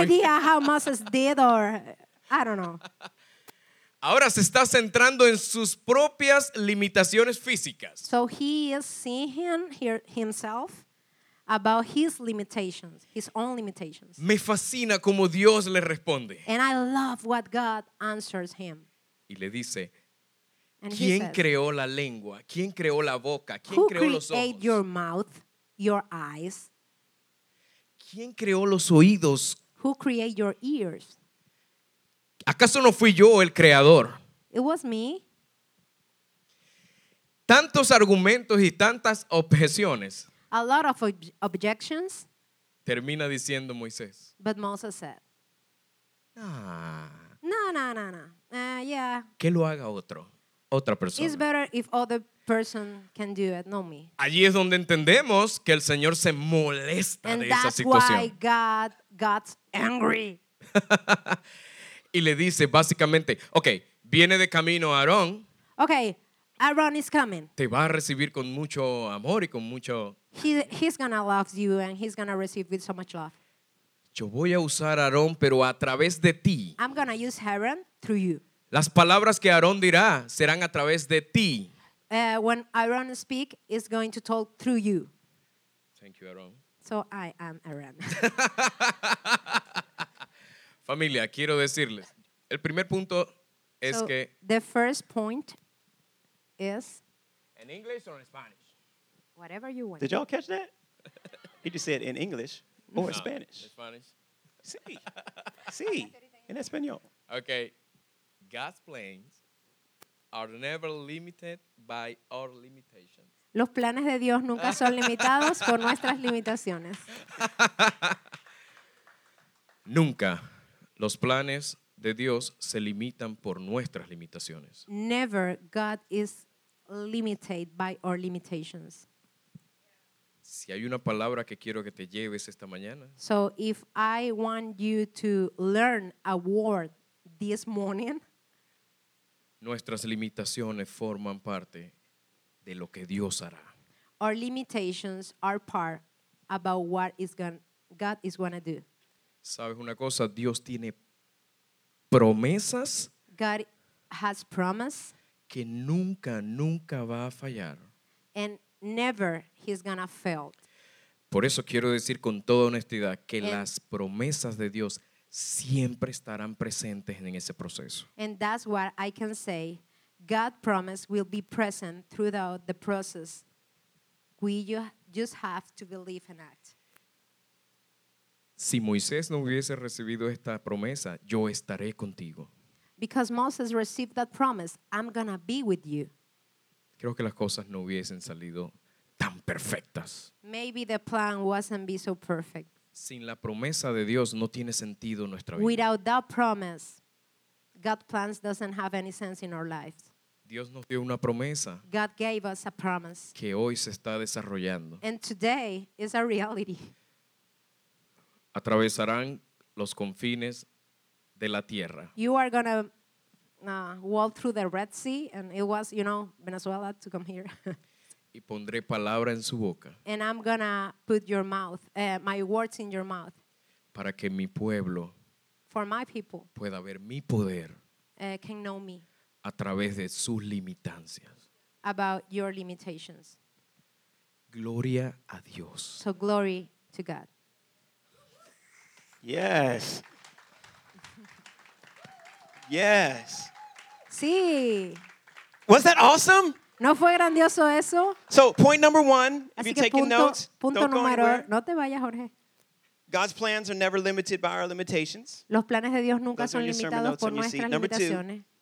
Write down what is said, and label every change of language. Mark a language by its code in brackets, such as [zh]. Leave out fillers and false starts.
[en] I have no idea how Moses did or I don't know. [es] Ahora se está centrando en sus propias limitaciones físicas. [en] So he is seeing himself about his limitations, his own limitations. [es] Me fascina como Dios le responde. [en] And I love what God answers him. [es] Y le dice, ¿quién creó la lengua? ¿Quién creó la boca? ¿Quién creó los ojos? [en] Who created your mouth, your eyes? [es] ¿Quién creó los oídos? [en] Who created your ears? [es] ¿Acaso no fui yo el creador? [en] It was me. [es] Tantos argumentos y tantas objeciones. [en] A lot of objections. [es] Termina diciendo Moisés. [en] But Moses said. [es] No. [en] Yeah. [es] Que lo haga otro. Otra persona. [en] It's better if other person can do it, not me. [es] Allí es donde entendemos que el Señor se molesta [en] and [es] de esa situación. [en] Why God got angry. [es] Y le dice básicamente, okay, viene de camino Aarón. [en] Okay, Aarón is coming. [es] Te va a recibir con mucho amor y con mucho. [en] He's gonna love you and he's gonna receive with so much love. [es] Yo voy a usar a Aarón, pero a través de ti. [en] I'm gonna use Aaron through you. [es] Las palabras que Aarón dirá serán a través de ti. [en] When Aarón speak, it's going to talk through you. Thank you, Aarón. So I am Aarón. [es] Familia, quiero decirles. El primer punto es [en] so [es] que... [en] The first point is... In English or in Spanish? Whatever you want. Did y'all catch that? He just said in English or no, in Spanish. In Spanish. [es] Sí. Sí. En español. [en] Okay. God's plans are never limited by our limitations. [es] Los planes de Dios nunca son limitados por nuestras limitaciones. Nunca los planes de Dios se limitan por nuestras limitaciones. [en] Never God is limited by our limitations. [es] Si hay una palabra que quiero que te lleves esta mañana. [en] So if I want you to learn a word this morning. [es] Nuestras limitaciones forman parte de lo que Dios hará. [en] Our limitations are part about what is God is going to do. [es] ¿Sabes una cosa? Dios tiene promesas. [en] God has promise. [es] Que nunca, nunca va a fallar. [en] And never he's going to fail. Por eso quiero decir con toda honestidad que las promesas de Dios siempre estarán presentes en ese proceso. And that's what I can say. God's promise will be present throughout the process. We just have to believe and act. [es] Si Moisés no hubiese recibido esta promesa, yo estaré contigo. [en] Because Moses received that promise, I'm going to be with you. [es] Creo que las cosas no hubiesen salido tan perfectas. [en] Maybe the plan wasn't be so perfect. [es] Sin la promesa de Dios no tiene sentido nuestra vida. [en] Without that promise, God's plans doesn't have any sense in our lives. [es] Dios nos dio una promesa. [en] God gave us a promise. [es] Que hoy se está desarrollando. [en] And today is a reality. [es] Atravesarán los confines de la tierra. [en] You are going to walk through the Red Sea, and it was, you know, Venezuela to come here. [es] Y pondré palabra en su boca. [en] And I'm gonna put your mouth, my words in your mouth. [es] Para que mi pueblo, [en] for my people, [es] pueda ver mi poder, [en] can know me, [es] a través de sus limitancias. [en] About your limitations. [es] Gloria a Dios. [en] So glory to God. Yes. Yes. [es] Sí. [en] Was that awesome? [es] ¿No fue grandioso eso? [en] So, point number one, if you're taking [es] punto, [en] notes, [es] punto [en] don't go [es] número, [en] anywhere. [es] No te vayas, Jorge. [en] God's plans are never limited by our limitations. [es] Los planes de Dios nunca son limitados por nuestras limitaciones.